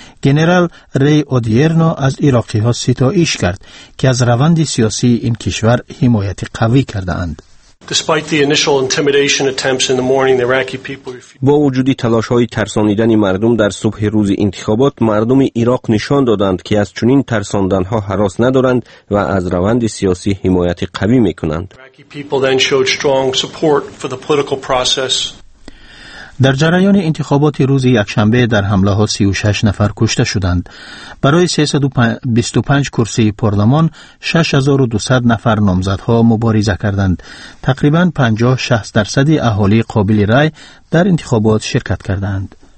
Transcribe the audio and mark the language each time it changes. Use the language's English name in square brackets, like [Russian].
[Persian] ژنرال ری اودیرنو از عراقی ها ستایش کرد که از روند سیاسی این کشور حمایت قوی کرده اند. [English] Despite the initial intimidation attempts in the morning, the Iraqi people [Persian] با وجودی تلاش‌های ترسانیدن مردم در صبح روز انتخابات، مردم عراق نشان دادند که از چنین ترساندن‌ها هراس ندارند و از روند سیاسی حمایت قوی می‌کنند. [English] Iraqi people then showed strong support for the political process. [Persian] در جریان انتخابات روز یکشنبه در حمله ها 36 نفر کشته شدند. برای 325 کرسی پارلمان 6200 نفر نامزدها مبارزه کردند. تقریبا 50-60 درصد اهالی قابل رای در انتخابات شرکت کردند.